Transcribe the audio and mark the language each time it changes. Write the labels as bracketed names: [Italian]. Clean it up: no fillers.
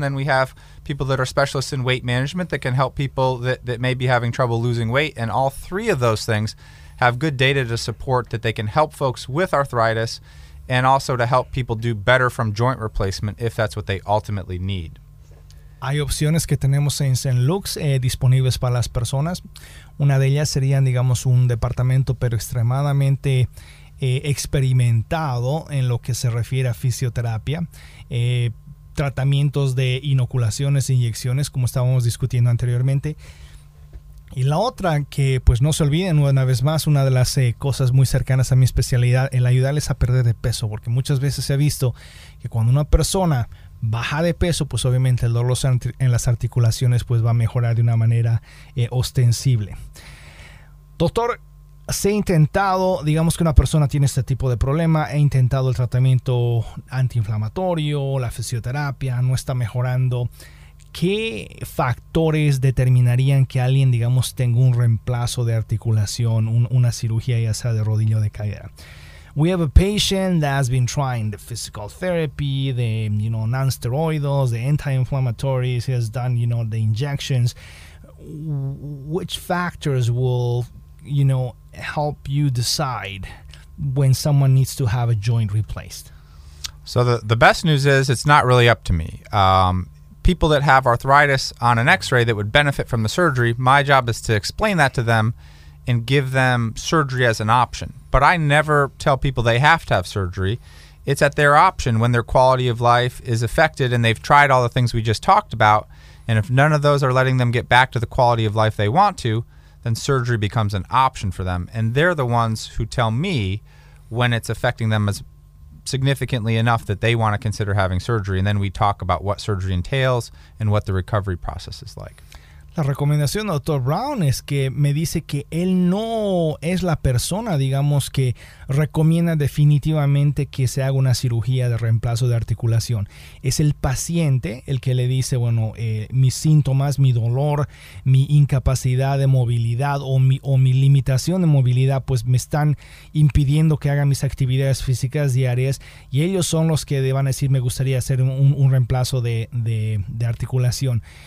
[English] And then we have people that are specialists in weight management that can help people that may be having trouble losing weight. And all three of those things have good data to support that they can help folks with arthritis and also to help people do better from joint replacement if that's what they ultimately need. [Spanish] Hay opciones que tenemos en St. Luke's disponibles para las personas. Una de ellas sería, digamos, un departamento pero extremadamente experimentado en lo que se refiere a fisioterapia. Tratamientos de inoculaciones e inyecciones, como estábamos discutiendo anteriormente. Y la otra, que pues no se olviden una vez más, una de las cosas muy cercanas a mi especialidad, el ayudarles a perder de peso. Porque muchas veces se ha visto que cuando una persona baja de peso, pues obviamente el dolor en las articulaciones pues va a mejorar de una manera ostensible. Doctor, se ha intentado, digamos que una persona tiene este tipo de problema, he intentado el tratamiento antiinflamatorio, la fisioterapia, no está mejorando. ¿Qué factores determinarían que alguien, digamos, tenga un reemplazo de articulación, una cirugía ya sea de rodilla o de cadera? [English] We have a patient that has been trying the physical therapy, the, you know, non-steroidals, the anti-inflammatories. He has done, you know, the injections. Which factors will, you know, help you decide when someone needs to have a joint replaced? So the best news is it's not really up to me. People that have arthritis on an x-ray that would benefit from the surgery, my job is to explain that to them and give them surgery as an option. But I never tell people they have to have surgery. It's at their option when their quality of life is affected and they've tried all the things we just talked about, and if none of those are letting them get back to the quality of life they want to, then surgery becomes an option for them. And they're the ones who tell me when it's affecting them as significantly enough that they want to consider having surgery. And then we talk about what surgery entails and what the recovery process is like. [Spanish] La recomendación del Dr. Brown es que me dice que él no es la persona, digamos, que recomienda definitivamente que se haga una cirugía de reemplazo de articulación. Es el paciente el que le dice, bueno, mis síntomas, mi dolor, mi incapacidad de movilidad o mi limitación de movilidad, pues me están impidiendo que haga mis actividades físicas diarias, y ellos son los que van a decir, me gustaría hacer un reemplazo de articulación.